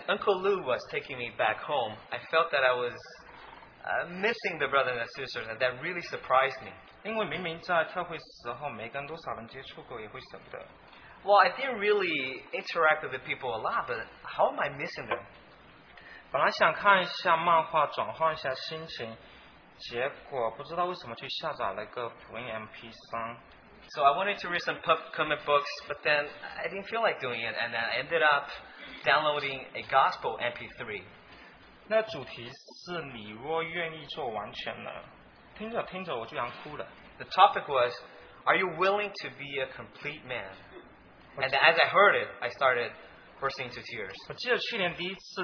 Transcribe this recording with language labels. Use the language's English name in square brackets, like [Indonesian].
[English] Uncle Lou was taking me back home, I felt that I was missing the brothers and sisters, and that really surprised me. [Chinese] 因为明明在特惠时候没跟多少人接触过，也会舍不得。 [English] Well, I didn't really interact with the people a lot, but how am I missing them? [Chinese] 本来想看一下漫画，转换一下心情，结果不知道为什么去下载了个福音MP3。 [English] So I wanted to read some comic books, but then I didn't feel like doing it, and I ended up downloading a gospel MP3. [Chinese] 那主题是你若愿意做完全人，听着听着我居然哭了。 [English] The topic was, are you willing to be a complete man? And as I heard it, I started bursting into tears.